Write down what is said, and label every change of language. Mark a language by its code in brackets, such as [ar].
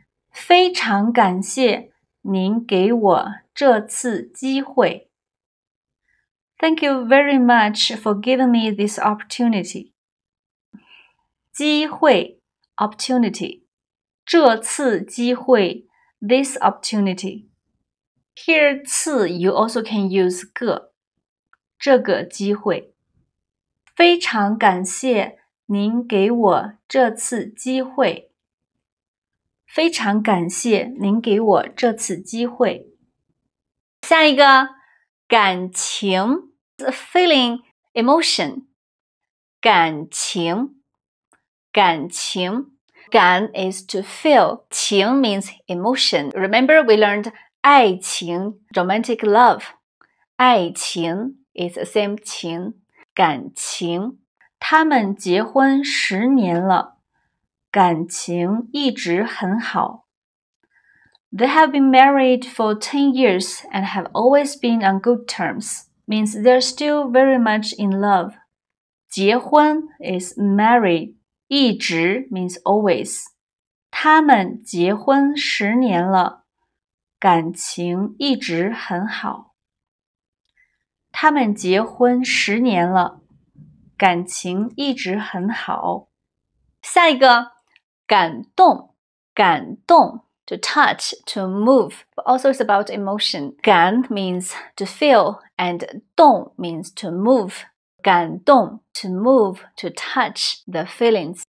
[zh] 非常感谢您给我这次机会。 [en] Thank you very much for giving me this opportunity. 机会 opportunity, 这次机会 this opportunity. Here, 次 you also can use 个 [zh] 这个机会。非常感谢您给我这次机会。非常感谢您给我这次机会。下一个，感情 [en] feeling, emotion. [zh] 感情，感情。 [en] 感 is to feel. 情 means emotion. Remember, we learned. 爱情 romantic love. 爱情 is the same 情感情。 [zh] 他们结婚十年了感情一直很好。 [en] They have been married for 10 years and have always been on good terms, means they're still very much in love. 结婚 is married, 一直 means always. [zh] 他们结婚十年了感情一直很好。他们结婚十年了，感情一直很好。下一个，感动，感动 [en] ，to touch, to move, but also it's about emotion. 感 means to feel, and 动 means to move. 感动 to move, to touch the feelings.